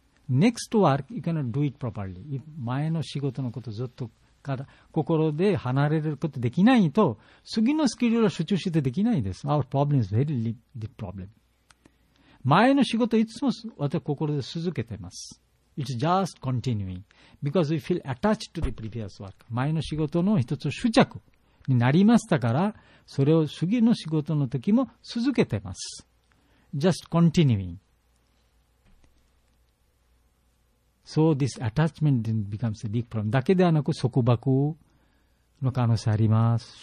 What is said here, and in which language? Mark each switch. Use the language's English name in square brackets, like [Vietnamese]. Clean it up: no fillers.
[English] Next work, you cannot do it properly. [Japanese] 前の仕事のことずっと心で離れることできないと、次のスケジュールを集中してできないんです。 [English] Our problem is very deep problem. [Japanese] 前の仕事いつも私心で続けています。 [English] It's just continuing. Because we feel attached to the previous work. [Japanese] 前の仕事の一つ執着。になりましたから、それを次の仕事の時も続けてます。 [English] Just continuing. So this attachment becomes a big problem. [Japanese] だけではなく、束縛の可能性あります。